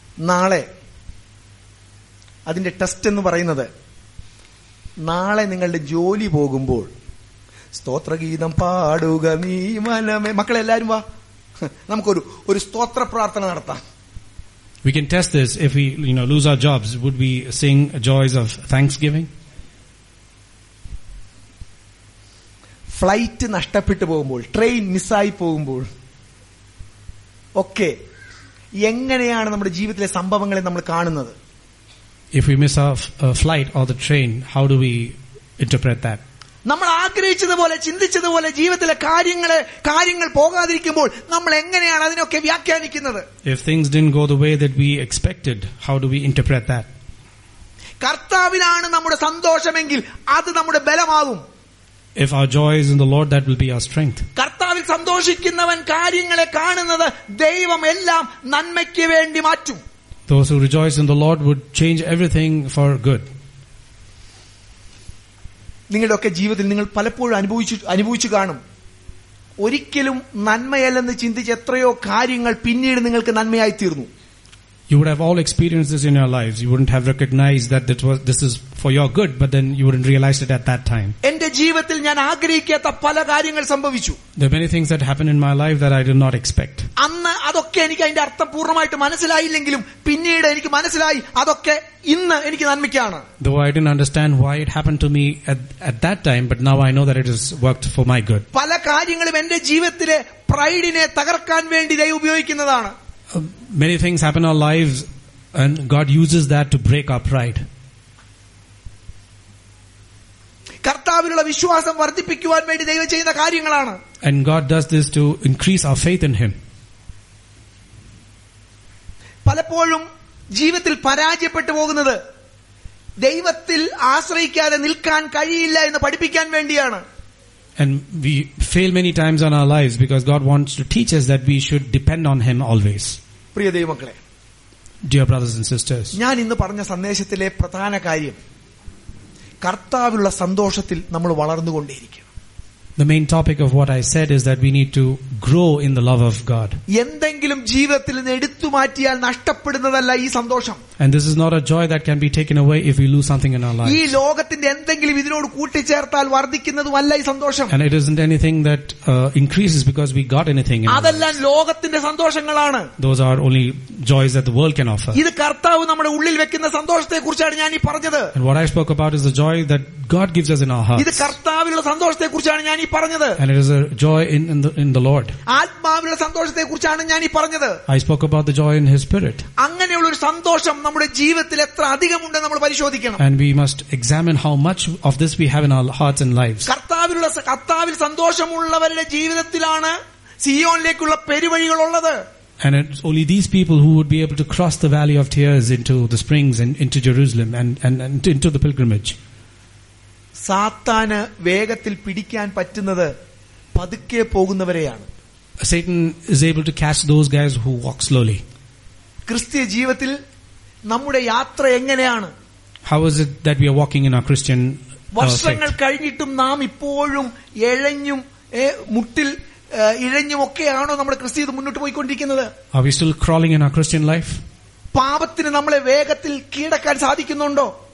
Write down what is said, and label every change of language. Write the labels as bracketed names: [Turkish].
[Malayalam] നാളെ അതിന്റെ ടെസ്റ്റ് എന്ന് പറയുന്നത് നാളെ നിങ്ങളുടെ ജോലി പോകുമ്പോൾ സ്തോത്രഗീതം പാടുക നീ മനമേ. മക്കളെ എല്ലാവരും വാ, നമുക്കൊരു ഒരു സ്തോത്ര പ്രാർത്ഥന നടത്താം. [English] We can test this. If we, you know, lose our jobs, would we sing joys of thanksgiving? [Malayalam] Flight നഷ്ടപ്പെട്ടു പോകുമ്പോൾ, ട്രെയിൻ മിസ്സായി പോകുമ്പോൾ ഒക്കെ എങ്ങനെയാണ് നമ്മുടെ ജീവിതത്തിലെ സംഭവങ്ങളെ നമ്മൾ കാണുന്നത്? [English] If we miss our flight or the train, how do we interpret that? [Malayalam] നമ്മൾ ആഗ്രഹിച്ചതുപോലെ ചിന്തിച്ചതുപോലെ ജീവിതത്തിലെ കാര്യങ്ങൾ പോകാതിരിക്കുമ്പോൾ നമ്മൾ എങ്ങനെയാണ് അതിനൊക്കെ വ്യാഖ്യാനിക്കുന്നത്? [English] If things didn't go the way that we expected, how do we interpret that? [Malayalam] കർത്താവിലാണ് നമ്മുടെ സന്തോഷമെങ്കിൽ അത് നമ്മുടെ ബലമാകും. [English] If our joy is in the Lord, that will be our strength. [Malayalam] കർത്താവിൽ സന്തോഷിക്കുന്നവൻ കാര്യങ്ങളെ കാണുന്നത് ദൈവം എല്ലാം നന്മയ്ക്ക് വേണ്ടി മാറ്റും. [English] Those who rejoice in the Lord would change everything for good. [Malayalam] നിങ്ങളുടെയൊക്കെ ജീവിതത്തിൽ നിങ്ങൾ പലപ്പോഴും അനുഭവിച്ചു കാണും, ഒരിക്കലും നന്മയല്ലെന്ന് ചിന്തിച്ച് എത്രയോ കാര്യങ്ങൾ പിന്നീട് നിങ്ങൾക്ക് നന്മയായി തീർന്നു. [English] You would have all experiences in your lives. You wouldn't have recognized that this is for your good, but then you wouldn't realize it at that time. [Malayalam] എന്റെ ജീവിതത്തിൽ ഞാൻ ആഗ്രഹിക്കാത്ത പല കാര്യങ്ങൾ സംഭവിച്ചു. [English] There are many things that happened in my life that I did not expect. [Malayalam] അന്ന് അതൊക്കെ എനിക്ക് അതിന്റെ അർത്ഥം പൂർണ്ണമായിട്ട് മനസ്സിലായില്ലെങ്കിലും പിന്നീട് എനിക്ക് മനസ്സിലായി അതൊക്കെ ഇന്ന് എനിക്ക് നന്മയ്ക്കാണ്. [English] Though I didn't understand why it happened to me at that time, but now I know that it has worked for my good. [Malayalam] പല കാര്യങ്ങളും എന്റെ ജീവിതത്തിലെ പ്രൈഡിനെ തകർക്കാൻ വേണ്ടി ദൈവം ഉപയോഗിക്കുന്നതാണ്. [English] Many things happen in our lives and God uses that to break our pride. [Malayalam] കർത്താവിലുള്ള വിശ്വാസം വർദ്ധിപ്പിക്കുവാൻ വേണ്ടി ദൈവം ചെയ്യുന്ന കാര്യങ്ങളാണ്. [English] And God does this to increase our faith in him. [Malayalam] പലപ്പോഴും ജീവിതത്തിൽ പരാജയപ്പെട്ടു പോകുന്നത് ദൈവത്തിൽ ആശ്രയിക്കാതെ നിൽക്കാൻ കഴിയില്ല എന്ന് പഠിപ്പിക്കാൻ വേണ്ടിയാണ്. [English] And we fail many times in our lives because God wants to teach us that we should depend on him always. [Malayalam] പ്രിയ ദൈവമക്കളെ, [English] Dear brothers and sisters, [Malayalam] ഞാൻ ഇന്ന് പറഞ്ഞ സന്ദേശത്തിലെ പ്രധാന കാര്യം കർത്താവിലുള്ള സന്തോഷത്തിൽ നമ്മൾ വളർന്നുകൊണ്ടേയിരിക്കണം. [English] The main topic of what I said is that we need to grow in the love of God. [Malayalam] എന്തെങ്കിലും ജീവിതത്തിൽ നിന്ന് എടുത്തു മാറ്റിയാൽ നഷ്ടപ്പെടുന്നതല്ല ഈ സന്തോഷം. [English] And this is not a joy that can be taken away if we lose something in our lives. [Malayalam] ഈ ലോകത്തിന്റെ എന്തെങ്കിലും ഇതിനോട് കൂട്ടിച്ചേർത്താൽ വർദ്ധിക്കുന്നതല്ല ഈ സന്തോഷം. [English] And it isn't anything that increases because we got anything. [Malayalam] അതെല്ലാം ലോകത്തിന്റെ സന്തോഷങ്ങളാണ്. [English] Those are only joys that the world can offer. [Malayalam] ഇത് കർത്താവ് നമ്മുടെ ഉള്ളിൽ വെക്കുന്ന സന്തോഷത്തെക്കുറിച്ചാണ് ഞാൻ ഈ പറഞ്ഞത്. [English] And what I spoke about is the joy that God gives us in our hearts. [Malayalam] ഇത് കർത്താവിലുള്ള സന്തോഷത്തെക്കുറിച്ചാണ് ഞാൻ ഈ പറഞ്ഞത്. [English] And it is a joy in the Lord. [Malayalam] ആത്മാവിലുള്ള സന്തോഷത്തെക്കുറിച്ചാണ് ഞാൻ ഈ പറഞ്ഞത്. [English] I spoke about the joy in his spirit. [Malayalam] അങ്ങനെയുള്ള ഒരു സന്തോഷം നമ്മുടെ ജീവിതത്തിൽ എത്ര അധികമുണ്ടെന്ന് നമ്മൾ പരിശോധിക്കണം. [English] And we must examine how much of this we have in our hearts and lives. [Malayalam] കർത്താവിലുള്ള കർത്താവിൽ സന്തോഷമുള്ളവരുടെ ജീവിതത്തിലാണ് സിയോനിലേക്കുള്ള പെരുവഴികൾ ഉള്ളത്. [English] And it's only these people who would be able to cross the valley of tears into the springs and into Jerusalem and into the pilgrimage. [Malayalam] സാത്താന് വേഗത്തിൽ പിടിക്കാൻ പറ്റുന്നത് പതുക്കെ പോകുന്നവരെയാണ്. [English] Satan is able to catch those guys who walk slowly. [Malayalam] ക്രിസ്തീയ ജീവിതത്തിൽ നമ്മുടെ യാത്ര എങ്ങനെയാണ്? [English] How is it that we are walking in our Christian [Malayalam] വർഷങ്ങൾ കഴിഞ്ഞിട്ടും നാം ഇപ്പോഴും എഴഞ്ഞും മുട്ടിൽ ഇഴഞ്ഞും ഒക്കെയാണോ നമ്മുടെ ക്രിസ്തീയത മുന്നോട്ട് പോയിക്കൊണ്ടിരിക്കുന്നത്? [English] Are we still crawling in our Christian life? [Malayalam] പാപത്തിന് നമ്മളെ വേഗത്തിൽ കീഴടക്കാൻ സാധിക്കുന്നുണ്ടോ?